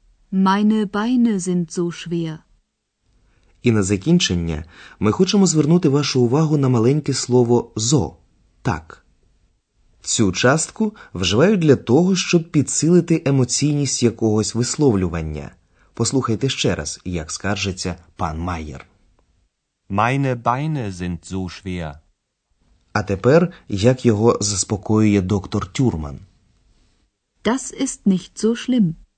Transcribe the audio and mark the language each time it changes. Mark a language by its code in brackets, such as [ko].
[de] Meine Beine sind so schwer. [uk] І на закінчення ми хочемо звернути вашу увагу на маленьке слово «so» – «так». Цю частку вживають для того, щоб підсилити емоційність якогось висловлювання. Послухайте ще раз, як скаржиться пан Майер. [de] Meine Beine sind so schwer. [uk] А тепер, як його заспокоює доктор Тюрман. [de] Das ist nicht so schlimm.